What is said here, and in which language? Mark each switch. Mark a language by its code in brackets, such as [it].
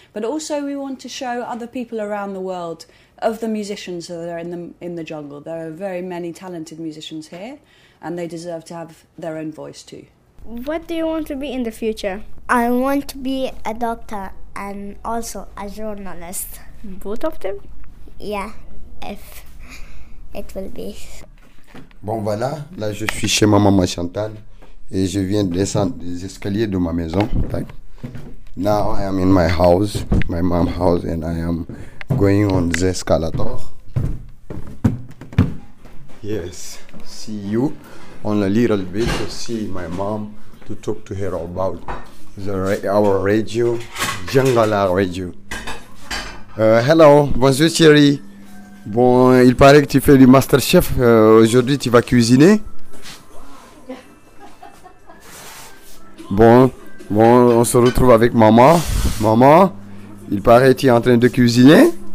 [en] But also we want to show other people around the world of the musicians that are in the jungle. There are very many talented musicians here, and they deserve to have their own voice too. What do you want to be in the future? I want to be a doctor and also a journalist. Both of them? Yeah, if it will be. [fr] Bon, voilà, là je suis chez ma maman Chantal et je viens de descendre les escaliers de ma maison. [en] Like, now I am in my house, my mom's house, and I am going on the escalator. Yes, see you. On a little bit to see my mom, to talk to her about our radio, Jungala Radio. [fr] Hello, bonjour Thierry. Bon, il paraît que tu fais du Master Chef. Aujourd'hui, tu vas cuisiner. Bon, on se retrouve avec maman. Maman, il paraît que tu es en train de cuisiner.